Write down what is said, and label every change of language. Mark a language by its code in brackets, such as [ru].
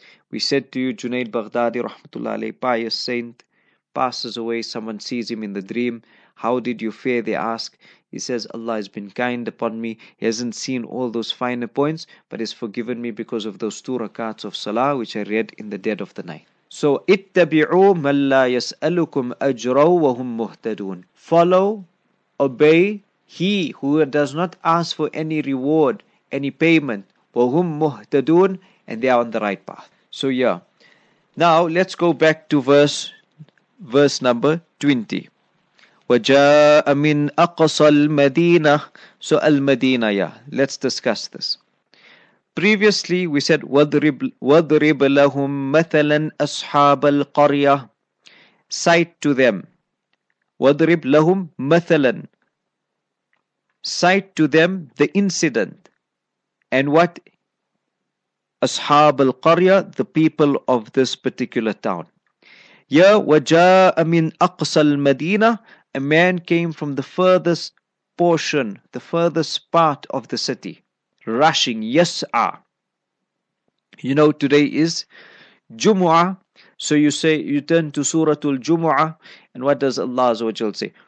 [en] We said to you, Junaid Baghdadi, rahmatullah alayhi, pious saint, passes away, someone sees him in the dream. How did you fare? They ask. He says, Allah has been kind upon me. He hasn't seen all those finer points, but has forgiven me because of those two rakats of salah, which I read in the dead of the night. So, [ar] اتبعوا من لا يسألكم أجرا وهم مهتدون. [en] Follow, obey, he who does not ask for any reward, any payment, [ar] وهم مهتدون, [en] and they are on the right path. So, yeah. Now, let's go back to verse number 20. [ar] وَجَاءَ مِنْ أَقْصَى الْمَدِينَةِ. [en] So Al-Madinah, yeah, let's discuss this. Previously we said [ar] وَضْرِبْ لَهُمْ مَثَلًا أَصْحَابَ الْقَرْيَةِ. [en] Cite to them. [ar] وَضْرِبْ لَهُمْ مَثَلًا. [en] Cite to them the incident. And what? [ar] أَصْحَابَ الْقَرْيَةِ, [en] the people of this particular town. [ar] Ya وَجَاءَ مِنْ أَقْصَى الْمَدِينَةِ. [en] A man came from the furthest portion, the furthest part of the city, rushing, yas'a. You know, today is Jumu'ah. So you say, you turn to Suratul Jumu'ah, and what does Allah Azza wa Jal say?